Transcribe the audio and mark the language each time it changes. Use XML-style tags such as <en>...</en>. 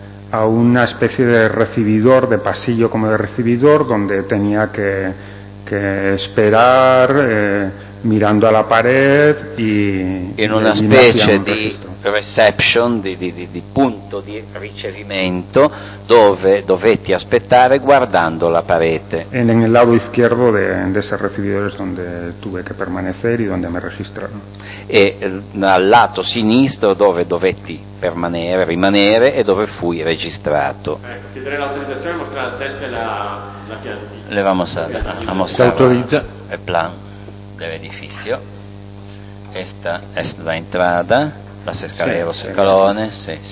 <es>A una especie de recibidor, de pasillo como de recibidor, donde tenía que esperar mirando a la pared y... En una especie de reception, de punto de ricevimiento, donde</es> <it>dovetti aspettare guardando</it> <es>la pared. En el lado izquierdo de ese recibidor es donde tuve que permanecer y donde me registraron.</es> <it>E al lato sinistro dove dovetti rimanere e dove fui registrato. Chiederei l'autorizzazione a mostrare la testa e la pianta.</it> <es>Le vamos a mostrare el plan dell'edificio. Esta es la entrada, las escaleras, escalones.</es>